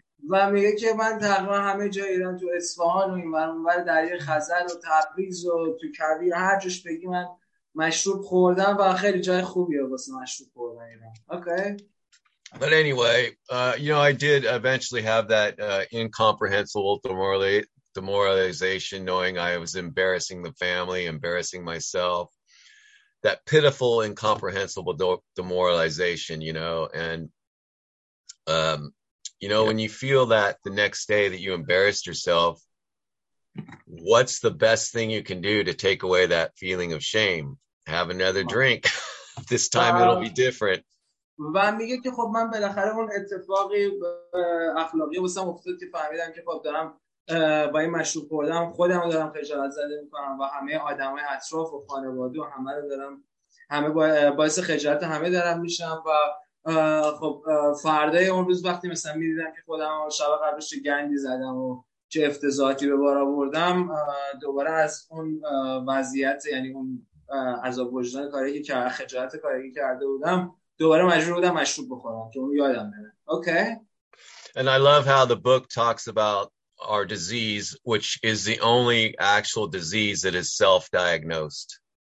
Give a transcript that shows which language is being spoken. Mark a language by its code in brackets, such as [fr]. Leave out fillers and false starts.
[fa] و میگه که من تقریبا همه جای ایران تو اصفهان و این ور اونور دریای خزر و تبریز و تو کویر هر جاش بگی من مشروب خوردن و خیلی جای خوبیه واسه مشروب خوردن ایران. [en] Okay. But anyway, you know, I did eventually have that incomprehensible demoralization, knowing I was embarrassing the family, embarrassing myself. That pitiful, incomprehensible demoralization, you know. And, you know, yeah. When you feel that the next day that you embarrassed yourself, what's the best thing you can do to take away that feeling of shame? Have another drink. This time it'll be different. [fa] و میگه که خب من بالاخره اون اتفاقی اخلاقی واسم افتاد که فهمیدم که خب دارم با این مشروب خوردم خودم دارم خجالت زده میکنم و همه آدمای اطراف و خانواده و همه رو دارم همه باعث خجالت همه دارم میشم و خب فردای اون روز وقتی مثلا میدیدم که خودم شب قبلش گندی زدم و چه افتضاحاتی به بار آوردم دوباره از اون وضعیت یعنی اون عذاب وجدان کاری که خجالت کاری که کرده بودم دوباره مجبور بودم مشروب بخورم که اون یادم بره. [en] Okay. And I love how the book talks about our disease, which is the only actual disease that is self-diagnosed.